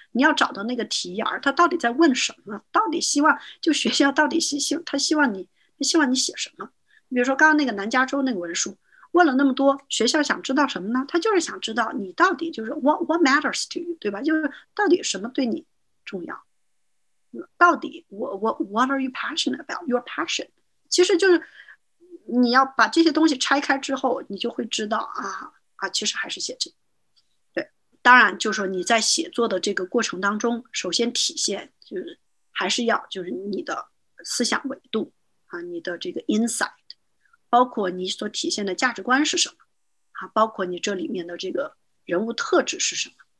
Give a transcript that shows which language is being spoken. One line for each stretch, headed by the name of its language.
Chinese: 你要找到那个题眼儿，他到底在问什么？到底希望就学校到底希他希望你他希望你写什么？比如说刚刚那个南加州那个文书，问了那么多，学校想知道什么呢？他就是想知道你到底就是
English: what matters to you，
Chinese: 对吧？就是到底什么对你重要？到底
English: what are you passionate about？ Your passion，
Chinese: 其实就是你要把这些东西拆开之后，你就会知道啊，其实还是写这个。当然，就是说你在写作的这个过程当中，首先体现就是还是要就是你的思想维度啊，你的这个 insight，包括你所体现的价值观是什么啊，包括你这里面的这个人物特质是什么。